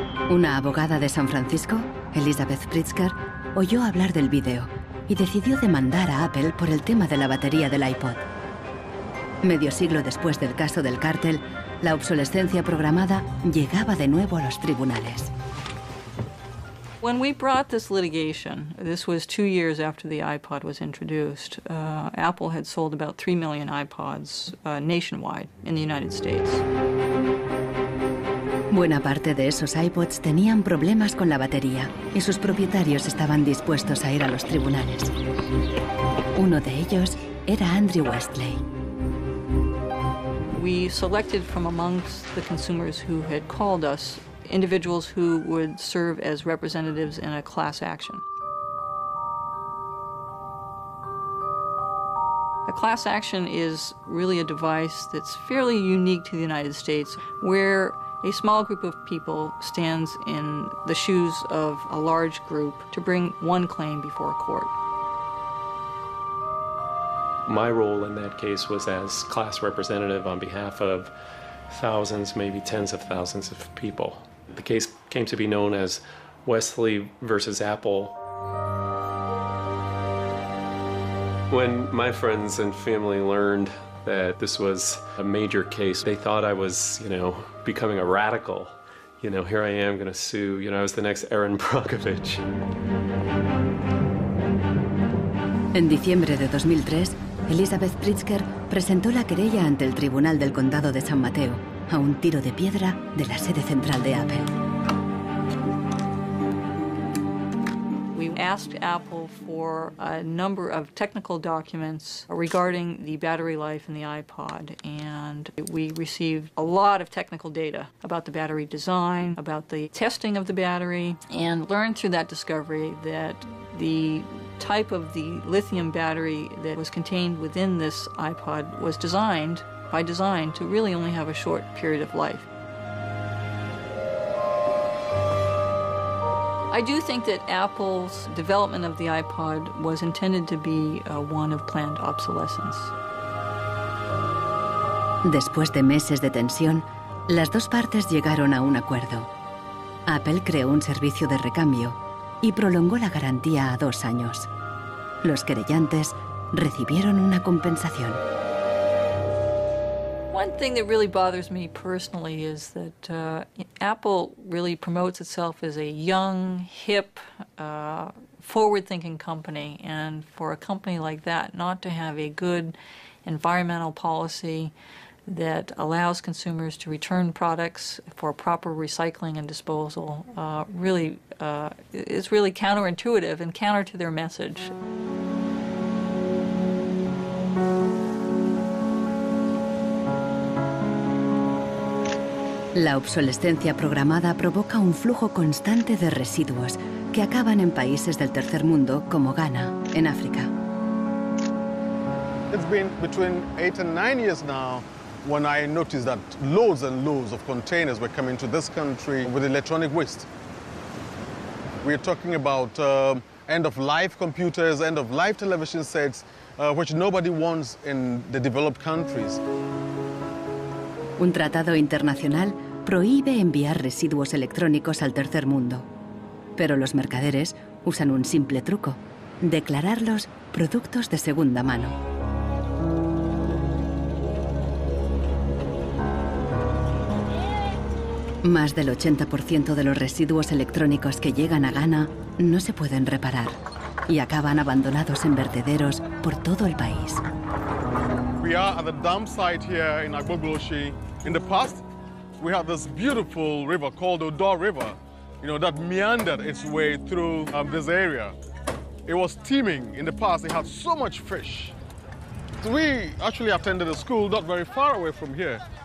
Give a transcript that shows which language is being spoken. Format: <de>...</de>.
<es>Una abogada de San Francisco, Elizabeth Pritzker, oyó hablar del video y decidió demandar a Apple por el tema de la batería del iPod. Medio siglo después del caso del cártel, la obsolescencia programada llegaba de nuevo a los tribunales.</es> <en>When we brought this litigation, this was 2 years after the iPod was introduced, Apple had sold about 3 million iPods nationwide in the United States.</en> <es>Buena parte de esos iPods tenían problemas con la batería y sus propietarios estaban dispuestos a ir a los tribunales. Uno de ellos era Andrew Westley.</es> <en>we selected from amongst the consumers who had called us individuals who would serve as representatives in a class action. A class action is really a device that's fairly unique to the United States, where a small group of people stands in the shoes of a large group to bring one claim before a court. My role in that case was as class representative on behalf of thousands, maybe tens of thousands of people. The case came to be known as Wesley versus Apple. When my friends and family learned that this was a major case, they thought I was, you know, becoming a radical. You know, here I am gonna sue, you know, I was the next Aaron Brockovich.</en> <es>En diciembre de 2003, Elizabeth Pritzker presentó la querella ante el Tribunal del Condado de San Mateo, a un tiro de piedra de la sede central de Apple.</es> <en>Asked Apple for a number of technical documents regarding the battery life in the iPod, and we received a lot of technical data about the battery design, about the testing of the battery, and learned through that discovery that the type of the lithium battery that was contained within this iPod was designed by design to really only have a short period of life. I do think that Apple's development of the iPod was intended to be one of planned obsolescence.</en> <es>Después de meses de tensión, las dos partes llegaron a un acuerdo. Apple creó un servicio de recambio y prolongó la garantía a 2 años. Los querellantes recibieron una compensación.</es> <en>One thing that really bothers me personally is that Apple really promotes itself as a young, hip, forward-thinking company. And for a company like that not to have a good environmental policy that allows consumers to return products for proper recycling and disposal, is really counterintuitive and counter to their message.</en> <es>La obsolescencia programada provoca un flujo constante de residuos que acaban en países del tercer mundo como Ghana, en África.</es> <en>It's been between 8 and 9 years now when I noticed that loads and loads of containers were coming to this country with electronic waste. We're talking about end-of-life computers, end-of-life television sets, which nobody wants in the developed countries.</en> <es>Un tratado internacional prohíbe enviar residuos electrónicos al tercer mundo. Pero los mercaderes usan un simple truco: declararlos productos de segunda mano. Más del 80% de los residuos electrónicos que llegan a Ghana no se pueden reparar y acaban abandonados en vertederos por todo el país.</es> <en>We are at the dump site here in Agbogbloshie. In the past, we have this beautiful river called Odor River, you know, that meandered its way through this area. It was teeming in the past. It had so much fish. So we actually attended a school not very far away from here.</en>